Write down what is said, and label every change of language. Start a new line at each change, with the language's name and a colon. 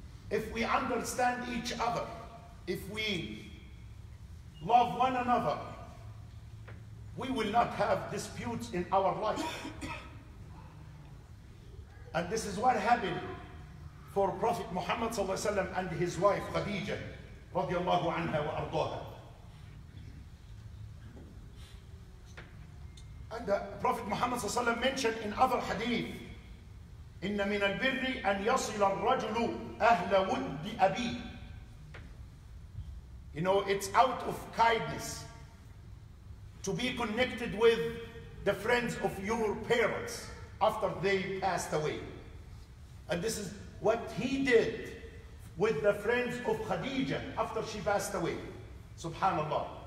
English: If we understand each other, if we love one another, we will not have disputes in our life. And this is what happened for Prophet Muhammad and his wife Khadija radiallahu anha wa ardaha. And Prophet Muhammad mentioned in other hadith,
Arabic: إِنَّ مِنَ الْبِرِّ أَنْ يَصِلَ الرَّجُلُ أَهْلَ وُدِّ أَبِيهِ.
English: You know, it's out of kindness to be connected with the friends of your parents after they passed away. And this is what he did with the friends of Khadija after she passed away. Subhanallah.